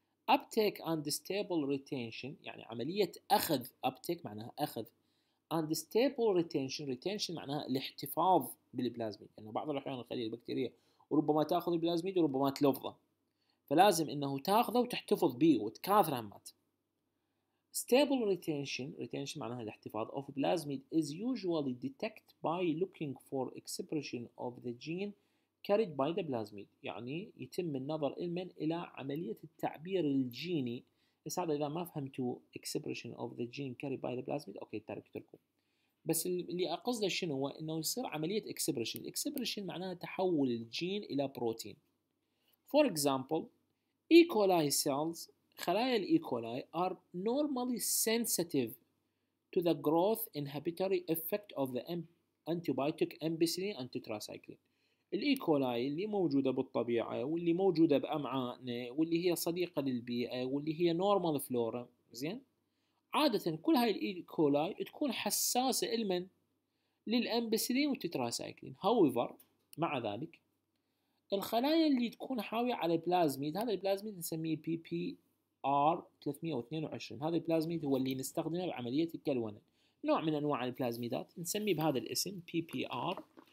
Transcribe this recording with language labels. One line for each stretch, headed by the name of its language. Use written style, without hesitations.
English: Uptake and stable retention،
Arabic: يعني عملية أخذ. Uptake معناها أخذ،
English: and stable retention،
Arabic: retention معناها الاحتفاظ بالبلازميد، لأنه يعني بعض الأحيان الخلية البكتيرية وربما تأخذ البلازميد وربما تلفظه، فلازم إنه تأخذه وتحتفظ به وتكاثره مات.
English: Stable retention
Arabic: معناها الاحتفاظ
English: of plasmid is usually detected by looking for expression of the gene carried by the plasmid،
Arabic: يعني يتم النظر المن إلى عملية التعبير الجيني. بس هذا إذا ما فهمتوا
English: expression of the gene carried by the plasmid
Arabic: أوكي تركتركم، بس اللي أقصده شنو هو إنه يصير عملية expression. Expression معناها تحول الجين إلى بروتين.
English: For example E. coli cells،
Arabic: خلايا الإي كولاي
English: are normally sensitive to the growth inhibitory effect of the antibiotic ampicillin and tetracycline.
Arabic: الإي كولاي اللي موجودة بالطبيعة واللي موجودة بأمعائنا واللي هي صديقة للبيئة واللي هي normal flora، زين عادة كل هاي الإي كولاي تكون حساسة لمن؟ للأمبسيلين والتتراسايكلين. however مع ذلك الخلايا اللي تكون حاوية على البلازميد، هذا البلازميد نسميه PPR322، هذا البلازميد هو اللي نستخدمه بعملية الكلونة، نوع من أنواع البلازميدات نسميه بهذا الاسم PPR.